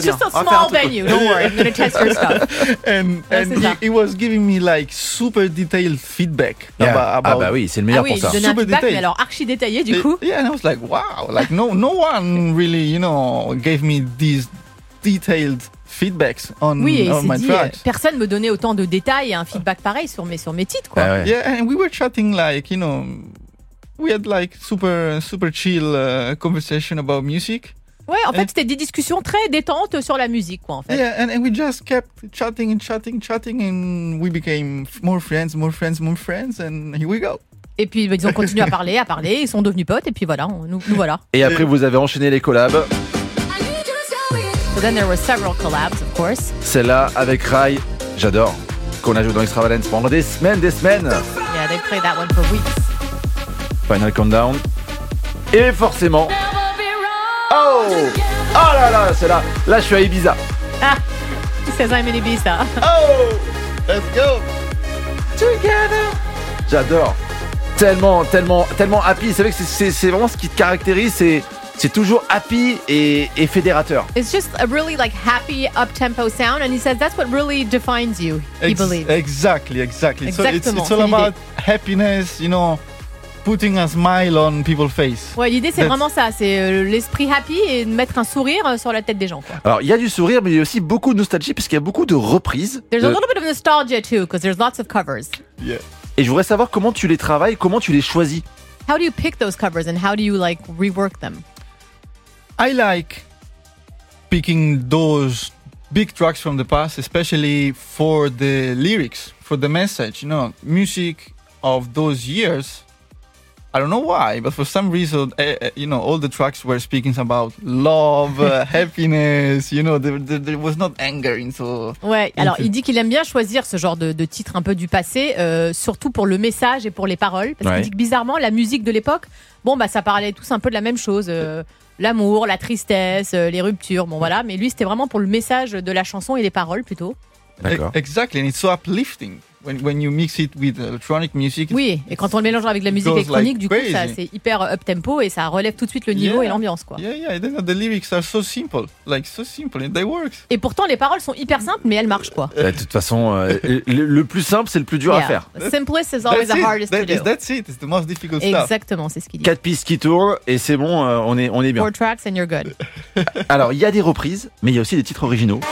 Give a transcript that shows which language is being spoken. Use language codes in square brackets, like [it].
[fr] bien. [en] Just a small venue, don't worry, I'm gonna test your stuff. And he was giving me like super detailed feedback. Yeah. About [fr] ah bah oui, c'est le meilleur ah oui, pour ça. Il donnait super un feedback, mais alors archi détaillé du coup. [en] Yeah, and I was like, wow, like no one really, you know, gave me these detailed feedbacks on [fr] oui, et on il [en] my [fr] dit, [en] tracks. [fr] Personne me donnait autant de détails et un feedback pareil sur mes titres, quoi. Ah ouais. [en] Yeah, and we were chatting like, you know, we had like super super chill conversation about music. [fr] Ouais, en fait, c'était des discussions très détentes sur la musique, quoi, en fait. [en] Yeah, and we just kept chatting and we became more friends and here we go. [fr] Et puis ils ont continué à parler, ils sont devenus potes et puis voilà, nous voilà. Et après vous avez enchaîné les collabs. [en] But then there were several collabs, of course. [fr] Celle-là avec Rai, j'adore. Qu'on a joué dans Extravalence pendant des semaines. [en] Yeah, they played that one for weeks. [fr] Final Countdown. Et forcément. Oh! Oh là là, celle-là. Là, je suis à Ibiza. [en] Ah! He says I'm in Ibiza. Oh! Let's go! [fr] Together! J'adore. Tellement happy. C'est vrai que c'est vraiment ce qui te caractérise, c'est. C'est toujours happy et fédérateur. [en] It's just a really like happy up-tempo sound, and he says that's what really defines you. He believes exactly. Exactly. So it's all about happiness, you know, putting a smile on people's face. [fr] Ouais, l'idée c'est vraiment ça, c'est l'esprit happy et de mettre un sourire sur la tête des gens. Alors, il y a du sourire, mais il y a aussi beaucoup de nostalgie parce qu'il y a beaucoup de reprises. [en] There's a little bit of nostalgia too, because there's lots of covers. Yeah. [fr] Et je voudrais savoir comment tu les travailles, comment tu les choisis. [en] How do you pick those covers and how do you like rework them? I like picking those big tracks from the past, especially for the lyrics, for the message, you know, music of those years. I don't know why, but for some reason, you know, all the tracks were speaking about love, happiness, you know, there was not anger into... [fr] Ouais, alors il dit qu'il aime bien choisir ce genre de titre un peu du passé, surtout pour le message et pour les paroles, parce qu'il dit que bizarrement, la musique de l'époque, bon, bah, ça parlait tous un peu de la même chose, l'amour, la tristesse, les ruptures, bon voilà, mais lui c'était vraiment pour le message de la chanson et les paroles plutôt. D'accord. [en] Exactly, and it's so uplifting. When you mix it with electronic music, [fr] oui, et quand on le mélange avec de la musique électronique, like du coup, ça c'est hyper up tempo et ça relève tout de suite le niveau et l'ambiance, quoi. [en] Yeah, yeah. The lyrics are so simple, like so simple, and they work. [fr] Et pourtant, les paroles sont hyper simples, mais elles marchent, quoi. De toute façon, le plus simple, c'est le plus dur à faire. [en] Simplest is always the hardest to do. That's it. It's the most difficult [fr] Exactement, [en] stuff. [fr] Exactement, c'est ce qu'il dit. Quatre pistes qui tournent et c'est bon, on est bien. [en] Four tracks and you're good. [fr] Alors, il y a des reprises, mais il y a aussi des titres originaux.